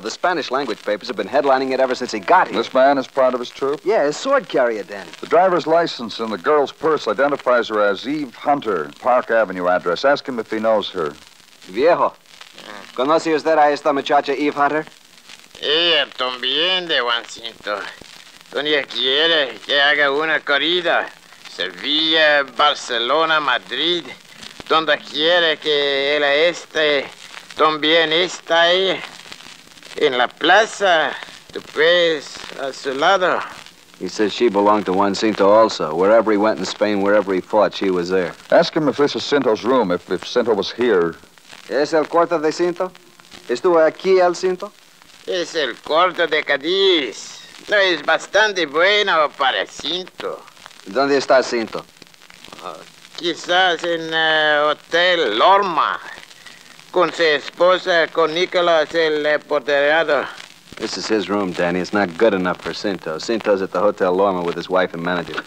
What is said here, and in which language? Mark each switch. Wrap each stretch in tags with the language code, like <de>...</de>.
<en>The Spanish language papers have been headlining it ever since he got here. This man is part of his troop? Yeah, his sword carrier, Danny. The driver's license and the girl's purse identifies her as Eve Hunter, Park Avenue address. Ask him if he knows her.</en> <es>Viejo, ¿conoce usted a esta muchacha Eve Hunter? Ella también de Juan Cinto. ¿Dónde quiere que haga una corrida? Sevilla, Barcelona, Madrid, donde quiere que él esté, también está ahí, en la plaza, después a su lado.</es> <en>He says she belonged to Juan Cinto also. Wherever he went in Spain, wherever he fought, she was there. Ask him if this is Cinto's room, if Cinto was here.</en> <es>¿Es el cuarto de Cinto? ¿Estuvo aquí el Cinto? Es el cuarto de Cadiz. No es bastante bueno para Cinto. ¿Dónde está Cinto? Quizás en Hotel Lorma, con su esposa, con Nicolás, el apoderado.</es> <en>This is his room, Danny. It's not good enough for Cinto. Cinto's at the Hotel Lorma with his wife and manager.</en>